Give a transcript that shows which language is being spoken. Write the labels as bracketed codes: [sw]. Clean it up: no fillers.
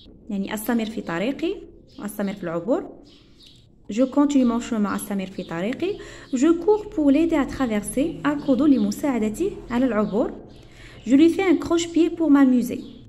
[ar] يعني أستمر في طريقي وأستمر في العبور. [fr] Je continue mon chemin [ar] أستمر في طريقي. [fr] Je cours pour l'aider à traverser. [ar] أركض لمساعدتي على العبور. [fr] Je lui fais un croche-pied pour m'amuser.